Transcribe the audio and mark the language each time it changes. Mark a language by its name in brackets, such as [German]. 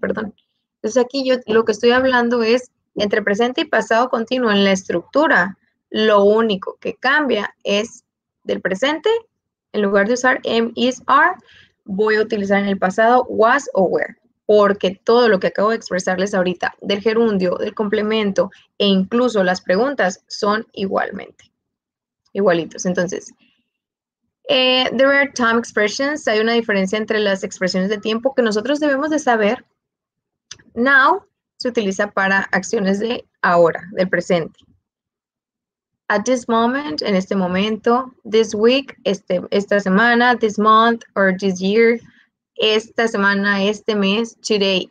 [Spanish] Entonces, aquí yo lo que estoy hablando es, entre presente y pasado continuo, en la estructura, lo único que cambia es del presente. En lugar de usar am, is, are, voy a utilizar en el pasado was o were. Porque todo lo que acabo de expresarles ahorita, del gerundio, del complemento e incluso las preguntas, son igualitos. [English] Entonces, there are time expressions. [Spanish] Hay una diferencia entre las expresiones de tiempo que nosotros debemos de saber. Now se utiliza para acciones de ahora, del presente. [English] At this moment, [Spanish] en este momento, [English] this week, [Spanish] esta semana, [English] this month, or this year, [Spanish] esta semana, este mes, [English] today.